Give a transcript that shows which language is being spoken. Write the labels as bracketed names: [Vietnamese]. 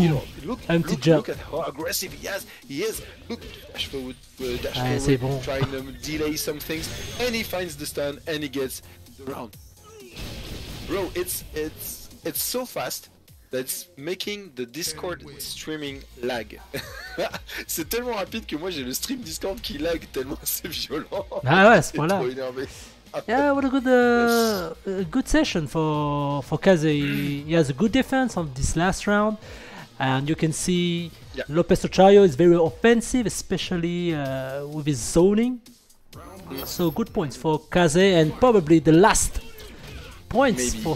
[English] you know, look at how aggressive he is. Look, dash forward, trying to delay some things, and he finds the stun and he gets the round. Bro, it's so fast that's making the Discord streaming lag. [French] C'est tellement rapide que moi j'ai le stream Discord qui lag tellement c'est violent. Ah ouais, à ce point-là. [English] Yeah, what a good good session for Kaze. He has a good defense on this last round, and you can see López Ochayo is very offensive, especially with his zoning. So good points for Kaze, and probably the last points